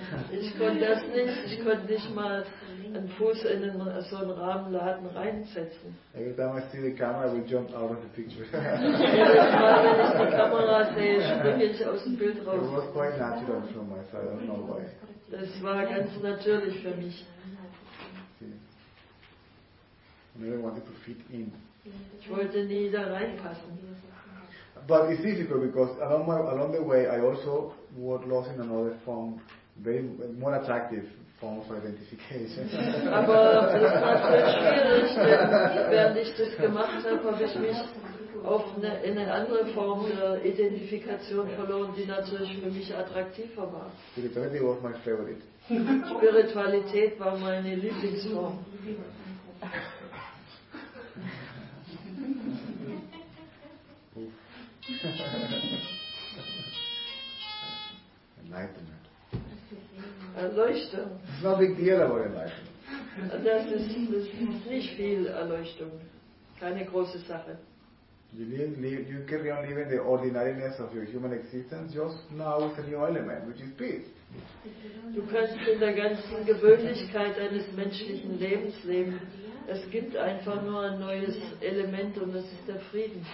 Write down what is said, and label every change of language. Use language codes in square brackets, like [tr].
[de] ich konnte nicht mal einen Fuß in einen, so einen Rahmenladen reinsetzen. [en] Every time I see the camera, I will jump out of the picture. [de] Jedes Mal, wenn ich die Kamera sehe, springe ich aus dem Bild raus. [en] It was quite natural from my side. I don't know why. [de] Das war ganz natürlich für mich. [en] I never wanted to fit in. [de] Ich wollte nie da reinpassen. [en] But it's difficult because along the way I also was lost in another form, very more attractive form of identification. [de] Aber das war sehr schwierig, denn während ich das gemacht habe, habe ich mich oft in eine andere Form der Identifikation verloren, die natürlich für mich attraktiver war. [en] Spirituality was my favorite. [de] Spiritualität war meine Lieblingsform. [en] Enlightenment. [de] Erleuchtung. [en] It's no big deal about enlightenment. [de] Das ist nicht viel Erleuchtung. Keine große Sache. [en] You carry on living the ordinariness of your human existence just now with a new element, which is peace. [de] Du kannst in der ganzen Gewöhnlichkeit deines menschlichen Lebens leben. Es gibt einfach nur ein neues Element und das ist der Frieden.